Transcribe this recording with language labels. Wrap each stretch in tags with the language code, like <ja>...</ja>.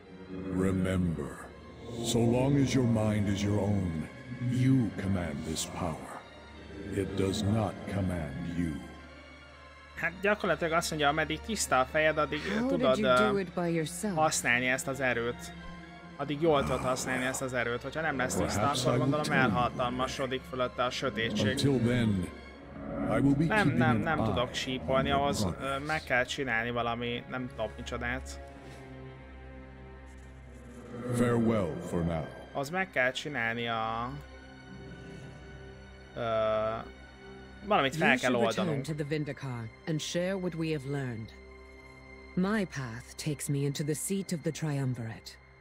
<en>Remember, so long as your mind is your own, you command this power. It does not command you.</en> <hu>Hát gyakorlatilag azt mondja, ameddig tiszta a fejed, addig tudod használni ezt az erőt. Addig jól tudod használni ezt az erőt. Hogyha nem lesz tiszta, akkor gondolom elhatalmasodik fölötte a sötétség.</hu> <en>Until then, I will be</en> <hu>nem tudok sípolni, ahhoz meg kell csinálni valami, nem tudom micsodát.</hu> <en>Farewell for now.</en> <hu>Az meg kell csinálni a... valamit fel kell oldanunk.</hu> <en>To the Vindicar and share what we have learned. My path takes me into the seat of the Triumvirate.</en>